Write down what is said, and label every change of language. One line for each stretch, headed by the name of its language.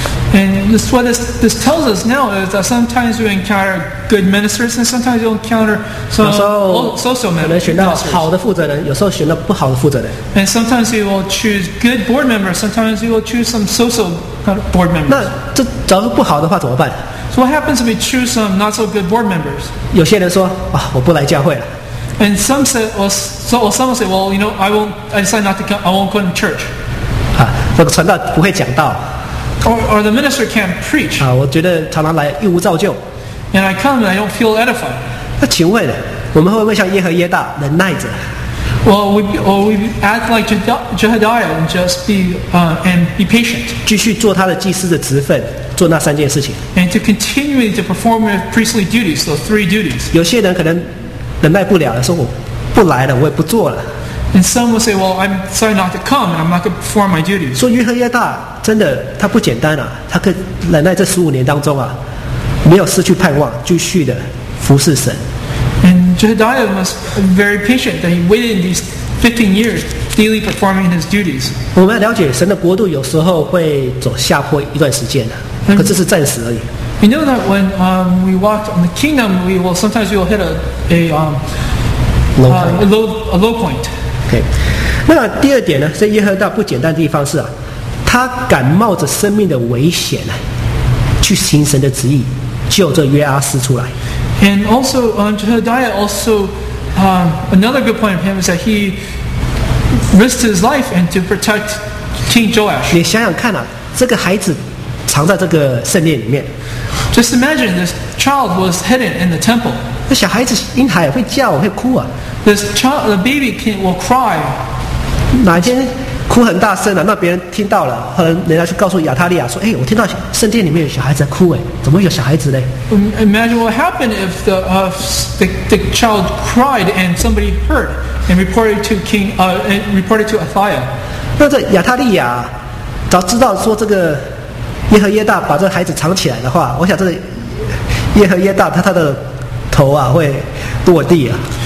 English: And this, what this tells us now is that sometimes you encounter good ministers, and sometimes you encounter some social ministers.
Chinese: 可能选到好的负责人，有时候选到不好的负责人。
English: And sometimes you will choose good board members. Sometimes you will choose some social board members.
Chinese: 那这假如不好的话怎么办
English: ？So what happens if we choose some not so good board members?
Chinese: 有些人说啊，我不来教会了。
English: And some say, well, you know, I decide not to come. I won't go to church.
Chinese: 啊，那个传道不会讲道。
English: Or the minister can't preach.
Chinese: 啊，我觉得常常来一无造就。
English: And I come and I don't feel edified.
Chinese: 那请问，我们会不会像耶和耶大忍耐着？
English: Well, we act like Jehadiah and just be patient.
Chinese: 继续做他的祭司的职分，做那三件事情。
English: And to continue to perform priestly duties, those three duties.
Chinese: 有些人可能忍耐不了了，说我不来了，我也不做了。
English: And some will say, "Well, I'm sorry not to come, and I'm not going to perform my duties."
Chinese: 说耶和耶大真的他不简单啊，他可忍耐这十五年当中啊，没有失去盼望，继续的服侍神。
English: Jehadiah was very patient that he waited in these 15 years daily performing his duties.
Chinese: 我们要了解神的国度有时候会走下坡一段时间的，可是是暂时而已。
English: We know that when we walk on the kingdom, we will hit a low point.
Chinese: Okay. 那第二点呢？这耶和大不简单的地方是啊，他敢冒着生命的危险呢，去行神的旨意，救这约阿斯出来。
English: And also, Jehadiah also, another good point of him is that he risked his life and to protect King Joash.
Chinese: 你想想看啊，这个孩子藏在这个圣殿里面。
English: Just imagine this child was hidden in the temple.
Chinese: 那小孩子婴孩会叫会哭啊。
English: This child, the baby king will cry.
Chinese: 哪一天哭很大声啊，那别人听到了，后来人家去告诉亚塔利亚说，哎，我听到圣殿里面有小孩子在哭，哎，怎么有小孩子呢？
English: Imagine what happened if the child cried and somebody heard and reported to Athaliah.
Chinese: 那这亚塔利亚早知道说这个耶和耶大把这孩子藏起来的话，我想这个耶和耶大他的头啊会落地啊。